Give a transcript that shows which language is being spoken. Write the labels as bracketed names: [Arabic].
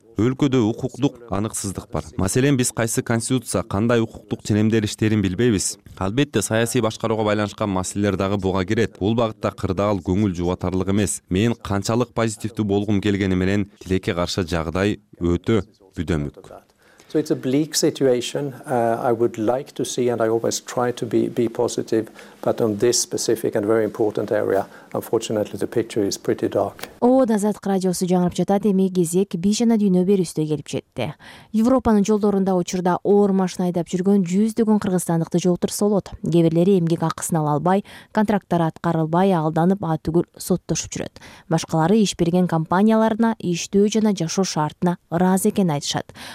[Kyrgyz] Өлкөдө укуктук аныксыздык бар. Маселен, биз кайсы конституция, кандай укуктук ченемделиштерин билбейбиз. Албетте, саясий башкарууга байланышкан маселелер дагы буга кирет. Бул багытта кырдаал көңүл жубатарлык эмес. Мен канчалык позитивдүү болгум келгени менен тилекке каршы жагдай өтө бүдөмүк. [English] So it's a bleak situation. I would like to see, and I always try to be positive, But on this specific and very important area, unfortunately, the picture is pretty dark. [Kyrgyz] Ооба Азаттык радиосу жаңырып жатат. Эми кезек бийшана дүйнө берүүсүнө келип жетти. Европанын жолдорунда учурда оор машина айдап жүргөн жүздөгөн кыргызстандыкты жолтурсолот. Кээ бирлери эмгек акысын ала албай, контракттары аткарылбай, алданып, атүгүл соттошуп жүрөт. Башкалары иш берген компанияларына иштөө жана жашоо шартына ыраазы экенин айтышат.